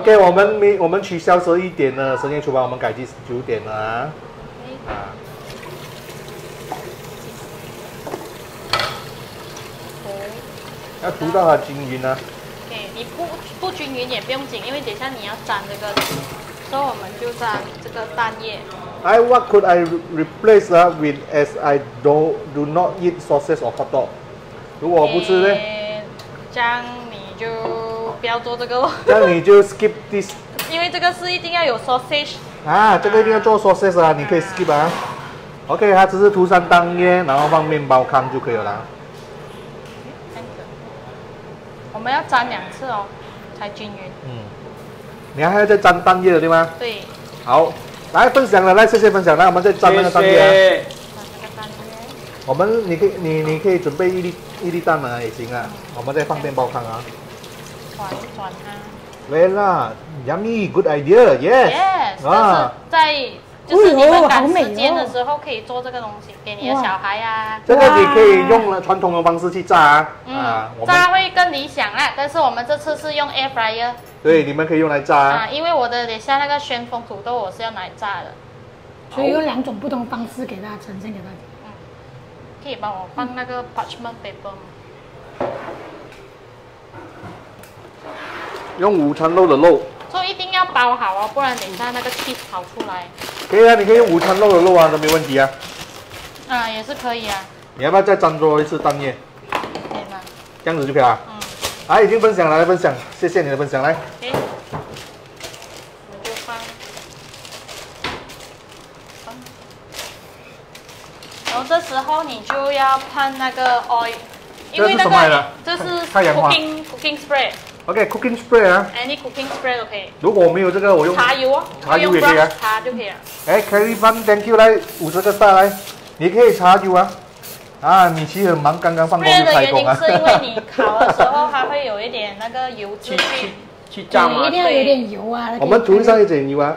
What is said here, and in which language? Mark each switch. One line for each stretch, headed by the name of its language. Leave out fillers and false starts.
Chinese: OK， 我们取消十一点的深夜厨房，我们改去九点了啊。
English: Okay.
Chinese: 要涂到它均匀啊。 Okay, 你不均匀也不用紧，因为等一下你要沾这个。所以我们就沾这个蛋液。
English: What could I replace with as I do not eat sausage or hot dog？
Chinese: 如果我不吃呢？这样你就不要做这个喽。这样你就
English: skip this。
Chinese: 因为这个是一定要有 sausage。啊，这个一定要做 sausage 啊，你可以
English: skip
Chinese: 啊。OK， 它只是涂上蛋液，然后放面包糠就可以了。我们要沾两次哦，才均匀。你还要再沾蛋液的对吗？对。好，来分享了，来谢谢分享，来我们再沾那个蛋液。沾那个蛋液。我们你可以准备一粒蛋啊，也行啊。我们再放面包糠啊。转它。喂啦
English: ，yummy， good idea， yes。 yes。 啊。
Chinese: 但是在就是你们赶时间的时候可以做这个东西，给你的小孩啊。这个你可以用传统的方式去炸啊。嗯。炸会更理想啦，但是我们这次是用 air fryer。对，你们可以用来炸啊。因为我的等下那个旋风土豆我是要拿来炸的，所以用两种不同方式给大家呈现给大家。嗯，可以帮我放那个 parchment paper 吗？用午餐肉的肉，所以一定要包好哦，不然等下那个 cheese 跑出来。可以啊，你可以用午餐肉的肉啊，都没问题啊。啊，也是可以啊。你要不要再沾多一次蛋液？可以吗？这样子就可以了。已经分享了，来分享，谢谢你的分享，来。 OK， 我就放，然后这时候你就要喷那个 oil，因为这是什么来的？这是 cooking spray。 OK， cooking spray 啊。
English: Any cooking spray
Chinese: 都可以。如果我没有这个，我用茶油哦，茶油也可以啊，茶就可以了。哎 ，Kelly Fun，
English: thank you，
Chinese: 来五十个star来，你可以茶油啊。啊，米奇很忙，刚刚放工就开工啊。 Spray 的原因是因为你烤的时候，它会有一点那个油脂去炸嘛，一定要有点油啊。我们涂上一点油啊，